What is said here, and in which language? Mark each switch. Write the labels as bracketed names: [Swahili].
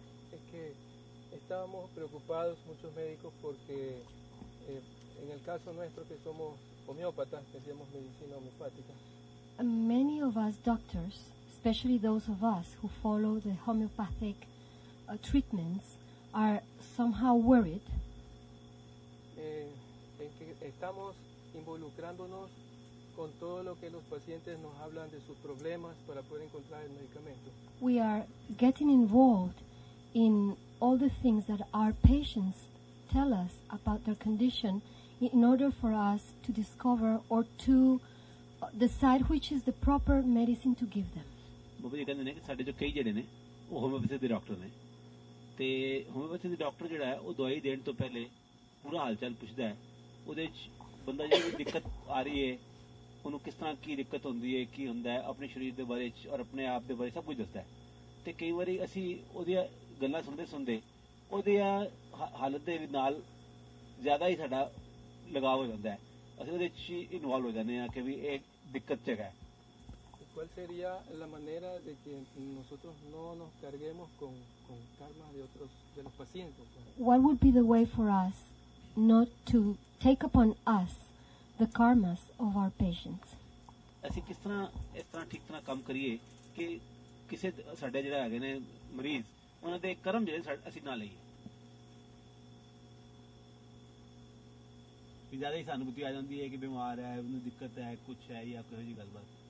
[Spanish] Es que estábamos preocupados muchos médicos porque en el caso nuestro que somos homeópatas, que hacemos medicina homeopática. [English] Many of us doctors, especially those of us who follow the homeopathic treatments, are somehow worried. [Spanish] En que estamos involucrándonos con todo lo que los pacientes nos hablan de sus problemas para poder encontrar el medicamento. [English] We are getting involved in all the things that our patients tell us about their condition in order for us to discover or to decide which is the proper medicine to give them. [Punjabi] Baba ji ਕਹਿੰਦੇ ਨੇ ਕਿ ਸਾਡੇ ਚੋਂ ਕਈ ਜਿਹੜੇ ਨੇ ਉਹ homeopathy ਦੇ ਡਾਕਟਰ ਨੇ ਤੇ ਹੋਮਿਓਪੈਥੀ ਦੇ ਡਾਕਟਰ ਜਿਹੜਾ ਹੈ ਉਹ ਦਵਾਈ ਦੇਣ ਤੋਂ ਪਹਿਲੇ ਪੂਰਾ ਹਾਲ ਚਾਲ ਪੁੱਛਦਾ ਹੈ ਉਹਦੇ 'ਚ ਬੰਦਾ ਜਿਹੜੀ ਦਿੱਕਤ ਆ ਰਹੀ ਹੈ ਉਹਨੂੰ ਕਿਸ ਤਰ੍ਹਾਂ ਕੀ ਦਿੱਕਤ ਹੁੰਦੀ ਹੈ ਕੀ ਹੁੰਦਾ ਆਪਣੇ ਸਰੀਰ ਦੇ ਬਾਰੇ 'ਚ ਔਰ ਆਪਣੇ ਆਪ ਦੇ ਬਾਰੇ ਸਭ ਕੁਝ ਦੱਸਦਾ ਤੇ ਕਈ ਵਾਰੀ ਅਸੀਂ ਉਹਦੀਆਂ ਗੱਲਾਂ ਸੁਣਦੇ ਸੁਣਦੇ ਉਹਦੀਆਂ ਹਾਲਤ ਦੇ ਨਾਲ ਜ਼ਿਆਦਾ ਹੀ ਸਾਡਾ ਲਗਾਵ ਹੋ ਜਾਂਦਾ ਅਸੀਂ ਉਹਦੇ 'ਚ ਹੀ ਇਨਵੋਲਵ ਹੋ ਜਾਂਦੇ ਹਾਂ ਕਿ ਵੀ ਇਹ ਦਿੱਕਤ 'ਚ ਹੈ. [Spanish] ¿Cuál sería la manera de que nosotros no nos carguemos con karma de otros de los pacientes? [English] What would be the way for us not to take upon us the karmas of our patients? [Punjabi] ਅਸੀਂ ਕਿਸ ਤਰ੍ਹਾਂ ਇਸ ਤਰ੍ਹਾਂ ਠੀਕ ਤਰ੍ਹਾਂ ਕੰਮ ਕਰੀਏ ਕਿ ਕਿਸੇ ਸਾਡੇ ਜਿਹੜੇ ਹੈਗੇ ਨੇ ਮਰੀਜ਼ ਉਹਨਾਂ ਦੇ ਕਰਮ ਜਿਹੜੇ ਅਸੀਂ ਨਾ ਲਈਏ ਵੀ ਜ਼ਿਆਦਾ ਹੀ ਸਾਨੂੰ ਬੁੱਧੀ ਆ ਜਾਂਦੀ ਹੈ ਕਿ ਬਿਮਾਰ ਹੈ ਉਹਨੂੰ ਦਿੱਕਤ ਹੈ ਕੁਛ ਹੈ ਜਾਂ ਕਿਸੇ ਦੀ ਗੱਲਬਾਤ.